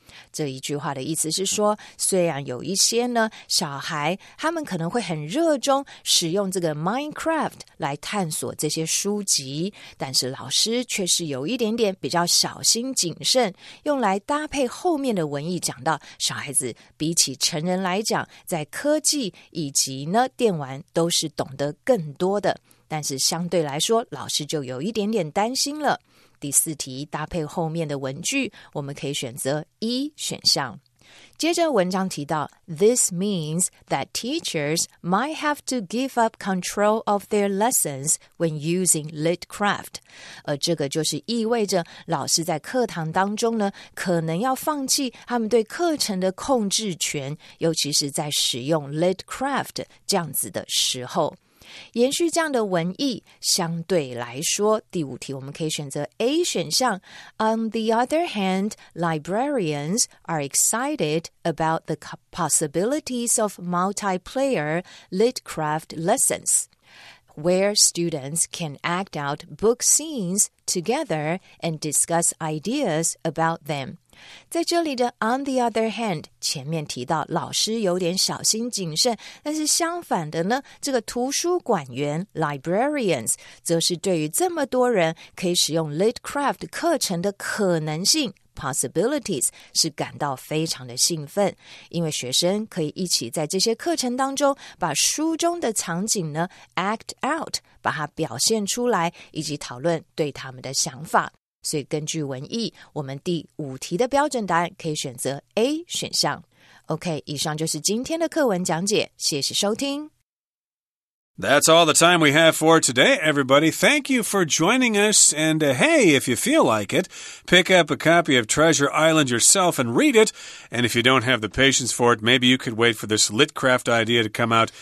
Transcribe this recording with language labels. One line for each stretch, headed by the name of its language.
Chinese: 这一句话的意思是说，虽然有一些呢，小孩他们可能会很热衷使用这个 Minecraft 来探索这些书籍，但是老师却是有一点点比较小心谨慎，用来搭配后面的文艺讲到小孩子比起成人来讲，在科技以及呢电玩都是懂得更多的，但是相对来说老师就有一点点担心了。第四题搭配后面的文句，我们可以选择 E 选项。接着文章提到
English: This means that teachers might have to give up control of their lessons when using lit craft.
Chinese: 而这个就是意味着老师在课堂当中呢，可能要放弃他们对课程的控制权，尤其是在使用 lit craft 这样子的时候。延续这样的文意，相对来说，第五题我们可以选择 A 选项。
English: On the other hand, librarians are excited about the possibilities of multiplayer lit craft lessons, where students can act out book scenes together and discuss ideas about them.
Chinese: 在这里的
English: on the other hand
Chinese: 前面提到老师有点小心谨慎，但是相反的呢，这个图书馆员 librarians 则是对于这么多人可以使用 lit craft 课程的可能性 possibilities 是感到非常的兴奋，因为学生可以一起在这些课程当中把书中的场景呢
English: act out
Chinese: 把它表现出来，以及讨论对他们的想法。所以根据文意，我们第五题的标准答案可以选择 A 选项。 OK， 以上就是今天的课文讲解，谢谢收听。
English: That's all the time we have for today, everybody. Thank you for joining us. And hey, if you feel like it, pick up a copy of Treasure Island yourself and read it. And if you don't have the patience for it, maybe you could wait for this Litcraft idea to come out.